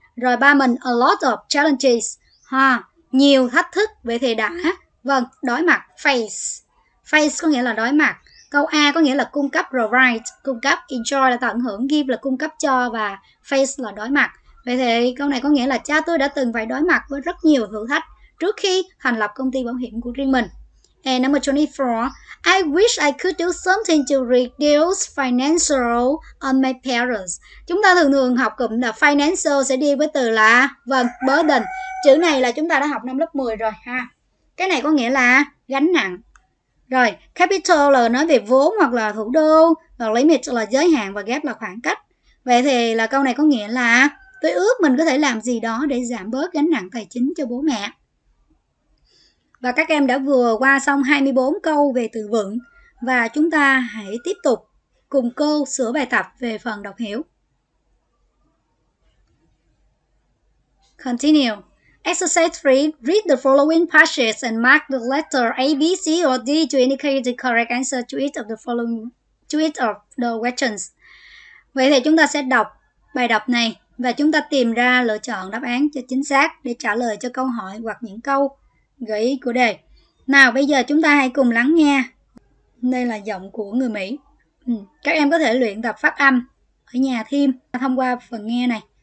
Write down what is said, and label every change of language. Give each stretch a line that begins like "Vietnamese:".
Vietnamese: Rồi ba mình
English: a lot of challenges.
Vietnamese: Nhiều thách thức. Vậy thì đã. Vâng, đối mặt. Face. Face có nghĩa là đối mặt. Câu A có nghĩa là cung cấp, provide, cung cấp, enjoy là tận hưởng, give là cung cấp cho và face là đối mặt. Vậy thì câu này có nghĩa là cha tôi đã từng phải đối mặt với rất nhiều thử thách trước khi thành lập công ty bảo hiểm của riêng mình.
English: And number 24, I wish I could do something to reduce financial on my parents.
Vietnamese: Chúng ta thường thường học cụm là financial sẽ đi với từ là, vâng, burden. Chữ này là chúng ta đã học năm lớp 10 rồi ha. Cái này có nghĩa là gánh nặng. Rồi, capital là nói về vốn hoặc là thủ đô, và limit là giới hạn và gap là khoảng cách. Vậy thì là câu này có nghĩa là tôi ước mình có thể làm gì đó để giảm bớt gánh nặng tài chính cho bố mẹ. Và các em đã vừa qua xong 24 câu về từ vựng và chúng ta hãy tiếp tục cùng cô sửa bài tập về phần đọc hiểu.
English: Continue. Exercise 3. Read the following passages and mark the letter A, B, C, or D to indicate the correct answer to each of the following to each of the questions.
Vietnamese: Vậy thì chúng ta sẽ đọc bài đọc này và chúng ta tìm ra lựa chọn đáp án cho chính xác để trả lời cho câu hỏi hoặc những câu gợi ý của đề. Nào, bây giờ chúng ta hãy cùng lắng nghe. Đây là giọng của người Mỹ. Các em có thể luyện tập phát âm ở nhà thêm thông qua phần nghe này.